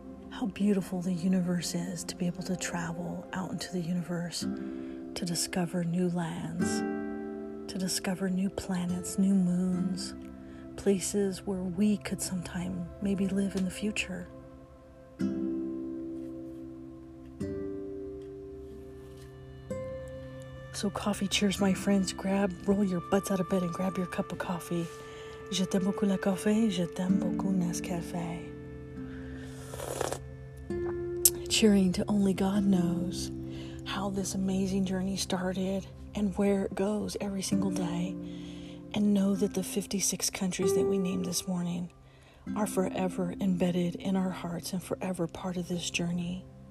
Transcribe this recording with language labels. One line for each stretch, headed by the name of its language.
English: How beautiful the universe is, to be able to travel out into the universe, to discover new lands, to discover new planets, new moons, places where we could sometime maybe live in the future. So coffee, cheers, my friends. Grab, roll your butts out of bed and grab your cup of coffee.
French: Je t'aime beaucoup le café, je t'aime beaucoup Nescafé.
English: Cheering to only God knows how this amazing journey started and where it goes every single day. And know that the 56 countries that we named this morning are forever embedded in our hearts and forever part of this journey.